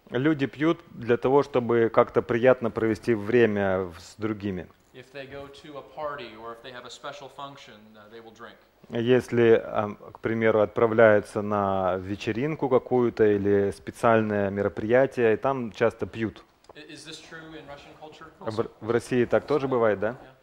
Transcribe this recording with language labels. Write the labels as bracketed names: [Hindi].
[Russian] Люди пьют для того, чтобы как-то приятно провести время с другими. [English] If they go to a party or if they have a special function, they will drink. [Russian] Если, к примеру, отправляются на вечеринку какую-то или специальное мероприятие, и там часто пьют. [English] Is this true in Russian culture? [Russian] В России так тоже бывает, да?